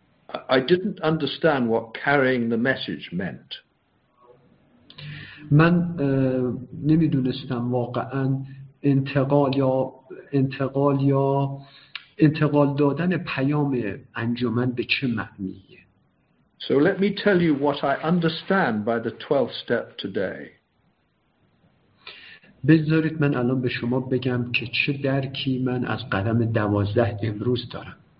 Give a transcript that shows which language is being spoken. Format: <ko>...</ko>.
<en>I didn't understand what carrying the message meant.</en> <fa>من نمیدونستم واقعا انتقال دادن پیام انجمن به چه معنیه.</fa> <en>So let me tell you what I understand by the 12th step today.</en> <fa>بذارید من الان به شما بگم که چه درکی من از قدم 12 امروز دارم.</fa>